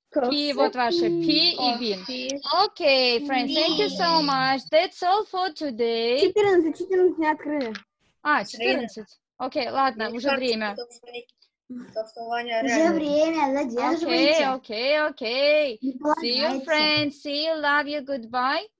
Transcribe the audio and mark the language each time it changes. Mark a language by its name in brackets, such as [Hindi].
[English] P, [Russian] вот ваше, [English] P и bean. Okay, friends, thank you so much. That's all for today. [Russian] 14 не открыли. А, 14. Okay, ладно, уже время. Уже время, задерживайте. [English] Okay. See you, friends. See you, love you, goodbye.